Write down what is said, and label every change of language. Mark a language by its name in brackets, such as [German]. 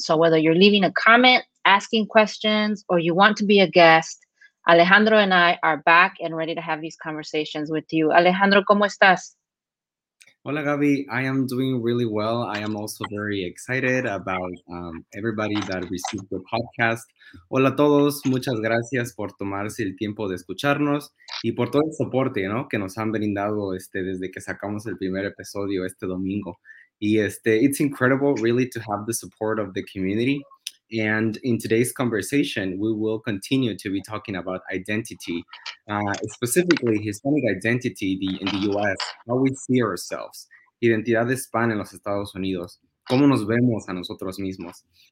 [English] So whether you're leaving a comment, asking questions, or you want to be a guest, Alejandro and I are back and ready to have these conversations with you. [Spanish] Alejandro, ¿cómo estás? Hola, Gabi. [English] I am doing really well. I am also very excited about everybody that received the podcast. [Spanish] Hola a todos. Muchas gracias por tomarse el tiempo de escucharnos y por todo el soporte, ¿no? Que nos han brindado desde que sacamos el primer episodio este domingo. [English] Y it's incredible really to have the support of the community. And in today's conversation, we will continue to be talking about identity, specifically Hispanic identity in the U.S., how we see ourselves, [Spanish] Identidad Hispana en los Estados Unidos, cómo nos vemos a nosotros mismos.